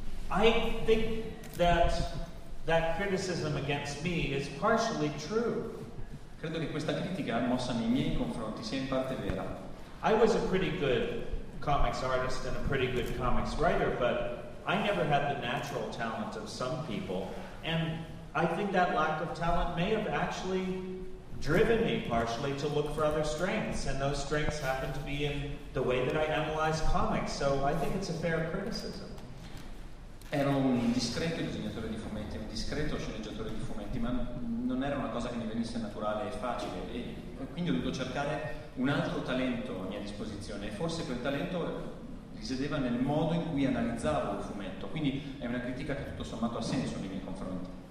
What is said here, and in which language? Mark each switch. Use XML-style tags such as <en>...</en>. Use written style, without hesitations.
<en>I think that criticism against me is partially true.</en> <it>Credo che questa critica mossa nei miei confronti sia in parte vera.</it> <en>I was a pretty good comics artist and a pretty good comics writer, but I never had the natural talent of some people, and I think that lack of talent may have actually driven me partially to look for other strengths, and those strengths happen to be in the way that I analyze comics, so I think it's a fair criticism.</en> <it>Ero un discreto disegnatore di fumetti, un discreto sceneggiatore di fumetti, ma non era una cosa che mi venisse naturale e facile, e quindi ho dovuto cercare un altro talento a mia disposizione, e forse quel talento risiedeva nel modo in cui analizzavo il fumetto, quindi è una critica che tutto sommato ha senso nei miei confronti.</it>